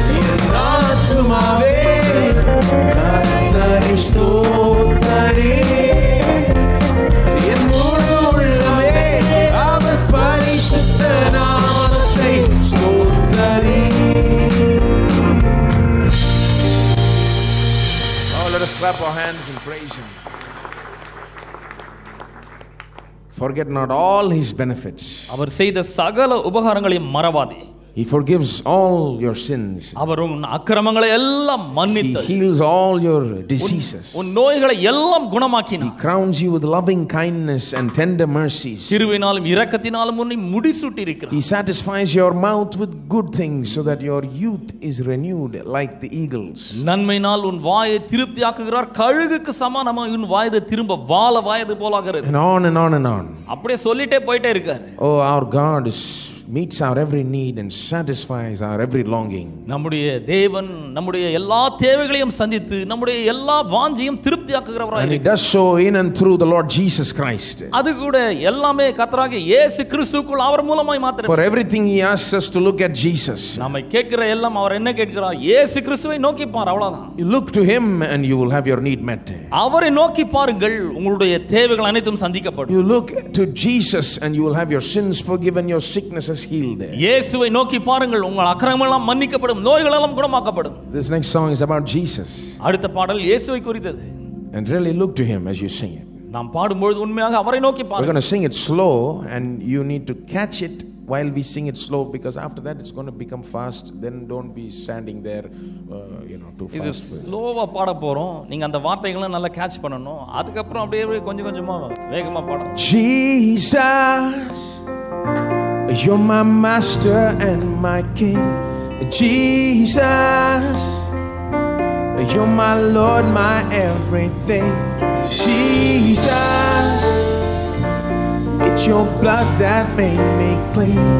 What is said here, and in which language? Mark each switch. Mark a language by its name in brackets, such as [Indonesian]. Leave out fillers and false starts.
[Tamil] என் ஆத்துமாவே கர்த்தரி ஸ்தோத்தரி. என் முழு உள்ளமே அவர் பரிசுத்தனாதை ஸ்தோத்தரி. [English] Clap our hands and praise him. Forget not all his benefits. [Tamil] அவர் செய்த சகல உபகாரங்களையும் மறவாதே. [English] He forgives all your sins. [Tamil] அவர் உன் அக்கிரமங்களை எல்லாம் மன்னித்தார். [English] He heals all your diseases. [Tamil] உன் நோய்களை எல்லாம் குணமாக்கினார். [English] He crowns you with loving kindness and tender mercies. [Tamil] கிருபையினாலும் இரக்கத்தினாலும் உன்னை முடிசூட்டியிருக்கிறார். [English] He satisfies your mouth with good things so that your youth is renewed like the eagles. [Tamil] நன்மையினால் உன் வாயை திருப்தியாக்குகிறார். கழுகுக்கு சமானமாக உன் வாயை திரும்ப வாழ வாயது போலாகிறது. [English] And on and on and on. [Tamil] அப்படியே சொல்லிட்டே போயிட்டே இருக்கார். [English] Oh, our God is meets our every need and satisfies our every longing. [Tamil] நம்முடைய தேவன் நம்முடைய எல்லா தேவைகளையும் சந்தித்து நம்முடைய எல்லா வாஞ்சையும் திருப்தியாக்குகிறவராய் இருக்கிறார். [English] And he does so in and through the Lord Jesus Christ. [Tamil] அது கூட எல்லாமே கர்த்தராகிய இயேசு கிறிஸ்துவுக்குள் அவர் மூலமாய் மாத்திரமே. [English] For everything he asks us to look at Jesus. [Tamil] நாமே கேட்கிற எல்லாம் அவர் என்ன கேட்கிறார்? இயேசு கிறிஸ்துவை நோக்கி பார், அவ்வளவுதான். [English] You look to him and you will have your need met. [Tamil] அவரை நோக்கி பாருங்கள், உங்களுடைய தேவைகள் அனைத்தும் சந்திக்கப்படும். [English] You look to Jesus and you will have your sins forgiven, your sickness [Tamil] இயேசுவை நோக்கி பாருங்கள், உங்கள் அக்கிரமங்கள் எல்லாம் மன்னிக்கப்படும், நோய்கள் எல்லாம் குணமாக்கப்படும். [English] This next song is about Jesus. [Tamil] அடுத்த பாடல் இயேசுவை குறித்தது. [English] And really look to him as you sing it. [Tamil] நாம் பாடும்போது உண்மையாக அவரை நோக்கி பாருங்கள். [English] We're going to sing it slow and you need to catch it while we sing it slow because after that it's going to become fast, then don't be standing there too fast. [Tamil] இது ஸ்லோவா பாட போறோம். நீங்க அந்த வார்த்தைகளை நல்லா catch பண்ணனும். அதுக்கு அப்புறம் அப்படியே கொஞ்சம் கொஞ்சமா வேகமா பாடணும். [English] Jesus, you're my master and my king. Jesus, you're my Lord, my everything. Jesus, it's your blood that made me clean.